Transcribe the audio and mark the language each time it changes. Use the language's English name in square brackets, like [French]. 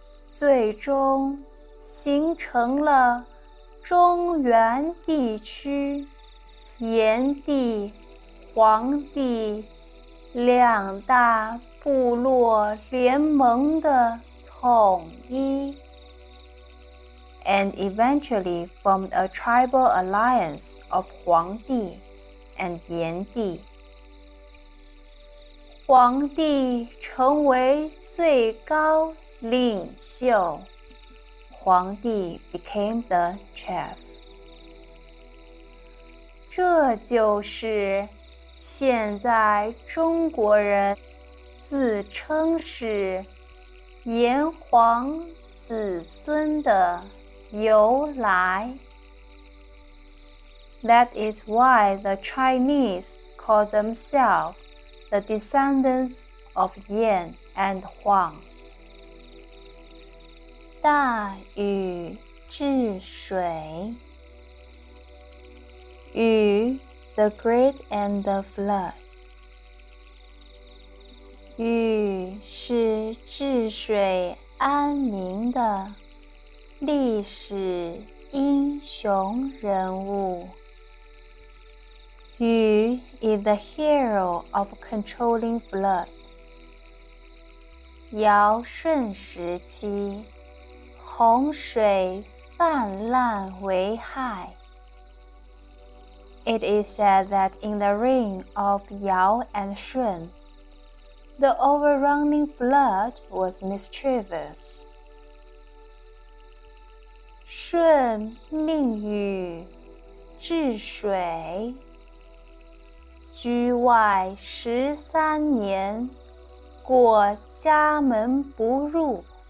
[Chinese] 最终形成了中原地区炎帝、黄帝两大部落联盟的统一。 [English] And eventually formed a tribal alliance of Huang Di and Yan Di. [Chinese] Huang Di 成为最高 [English] Ling Xiu. Huang Di became the chief. [Chinese] 这就是现在中国人自称是炎黄子孙的由来。 [English] That is why the Chinese call themselves the descendants of Yan and Huang. [Chinese] 大禹治水。 [English] 禹, the great and the flood. [Chinese] 禹是治水安民的历史英雄人物。 [English] 禹 is the hero of controlling flood. [Chinese] 尧舜时期，洪水泛滥为害。 [English] It is said that in the reign of Yao and Shun, the overrunning flood was mischievous. [Chinese] Shun 命禹治水，居外十三年，过家门不入。